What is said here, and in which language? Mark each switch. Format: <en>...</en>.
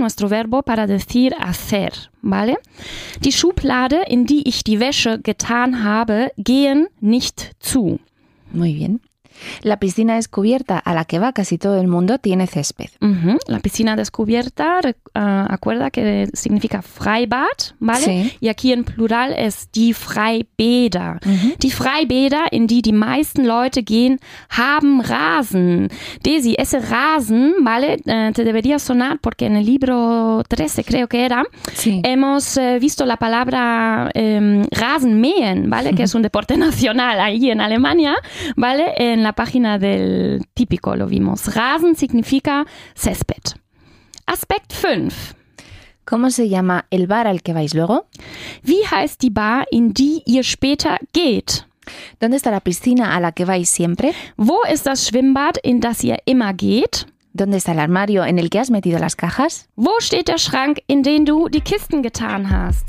<es>Nuestro verbo para decir hacer, ¿vale?</es> <de>Die Schublade, in die ich die Wäsche getan habe, gehen nicht zu.</de> <es>Muy bien. La piscina descubierta a la que va casi todo el mundo tiene césped. Uh-huh. La piscina descubierta, acuerda que significa Freibad, ¿vale? Sí. Y aquí en plural es</es> <de>die Freibäder.</de> <es>Uh-huh.</es> <de>Die Freibäder, in die die meisten Leute gehen, haben Rasen.</de> <es>Desi, ese Rasen, ¿vale? Te debería sonar porque en el libro 13, creo que era, sí. Hemos visto la palabra Rasenmähen, ¿vale? Uh-huh. Que es un deporte nacional ahí en Alemania, ¿vale? En la página del típico lo vimos. Rasen significa césped. Aspekt 5. ¿Cómo se llama el bar al que vais luego?</es> <de>Wie heißt die Bar, in die ihr später geht?</de> <es>¿Dónde está la piscina a la que vais siempre?</es> <de>Wo ist das Schwimmbad, in das ihr immer geht?</de> <es>¿Dónde está el armario en el que has metido las cajas?</es> <de>Wo steht der Schrank, in den du die Kisten getan hast?</de>